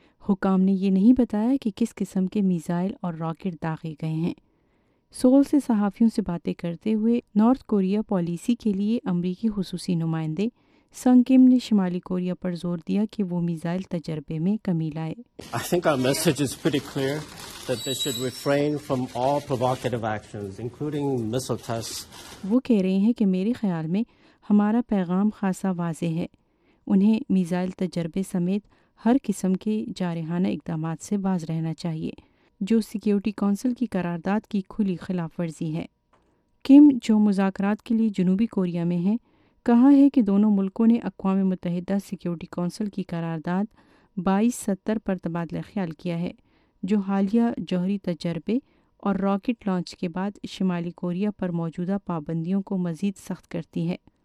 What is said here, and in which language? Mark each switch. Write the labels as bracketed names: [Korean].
[Urdu] حکام نے یہ نہیں بتایا کہ کس قسم کے میزائل اور راکٹ داغے گئے ہیں. سول سے صحافیوں سے باتیں کرتے ہوئے نارتھ کوریا پالیسی کے لیے امریکی خصوصی نمائندے سنگ کم نے شمالی کوریا پر زور دیا کہ وہ میزائل تجربے میں کمی لائے. [English] I think our message is pretty clear that they should refrain from all provocative actions, including missile tests. [Urdu] وہ کہہ رہے ہیں کہ میرے خیال میں ہمارا پیغام خاصا واضح ہے, انہیں میزائل تجربے سمیت ہر قسم کے جارحانہ اقدامات سے باز رہنا چاہیے, جو سیکیورٹی کونسل کی قرارداد کی کھلی خلاف ورزی ہے. کم, جو مذاکرات کے لیے جنوبی کوریا میں ہیں, کہا ہے کہ دونوں ملکوں نے اقوام متحدہ سیکیورٹی کونسل کی قرارداد 2270 پر تبادلہ خیال کیا ہے, جو حالیہ جوہری تجربے اور راکٹ لانچ کے بعد شمالی کوریا پر موجودہ پابندیوں کو مزید سخت کرتی ہے.